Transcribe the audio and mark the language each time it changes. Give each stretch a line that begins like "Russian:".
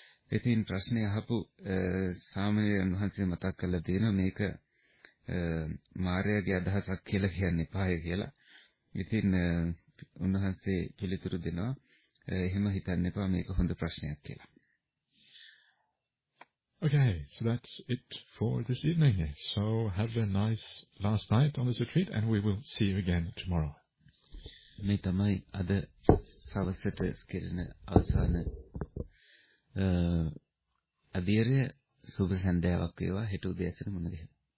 Sinhala: ඉතින් ප්‍රශ්නේ අහපු සාමණේරයන් වහන්සේ මතක් කරලා තියෙනවා මේක මාර්යාගේ අදහසක් කියලා කියන්නේ පහය කියලා. ඉතින් උන්වහන්සේ පිළිතුරු දෙනවා එහෙම හිතන්න එපා මේක හොඳ ප්‍රශ්නයක් කියලා.
English: Okay, so that's it for this evening. So have a nice last night on this retreat and we will see you again tomorrow.
Sinhala: මේ තමයි අද සවස්සට කෙරෙන අවසාන අදියරය සුභ සන්ධ්‍යාවක් වේවා හෙට උදෑසන මුණ ගැහෙමු